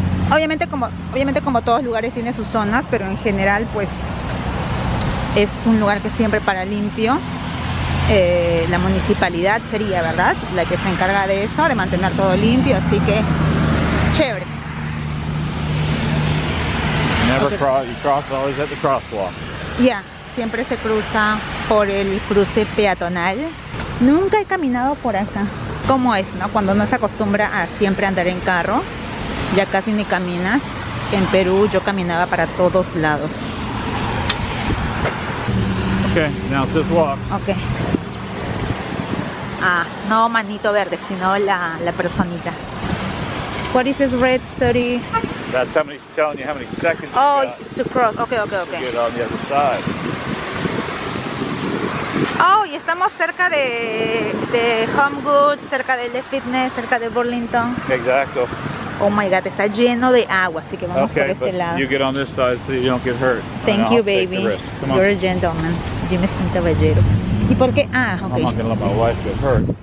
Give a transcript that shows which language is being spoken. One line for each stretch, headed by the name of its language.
Spanish: Obviamente como todos lugares tiene sus zonas, pero en general pues es un lugar que siempre para limpio. La municipalidad sería, ¿verdad?, la que se encarga de eso, de mantener todo limpio, así que chévere.
English: Never cross, you cross always at the crosswalk.
Spanish: Yeah, siempre se cruza por el cruce peatonal. Nunca he caminado por acá. ¿Cómo es, no? Cuando uno se acostumbra a siempre andar en carro, ya casi ni caminas. En Perú yo caminaba para todos lados.
English: Okay, now it's just walk. Okay.
Spanish: Ah, no manito verde, sino la personita.
English: What is this red 30? That's how many, telling you how many seconds. Oh, you got to cross. Okay. To get on the other side.
Spanish: Oh, y estamos cerca de Home Goods, cerca de Le Fitness, cerca de Burlington. Exacto. Oh my God, está lleno de agua, así que vamos okay, por este lado.
English: You get on this side so you don't get hurt. Thank you, baby. Come on. You're a gentleman.
Spanish: Jimmy es un caballero. ¿Y por qué?
English: Ah, okay. I'm not gonna let my wife get hurt.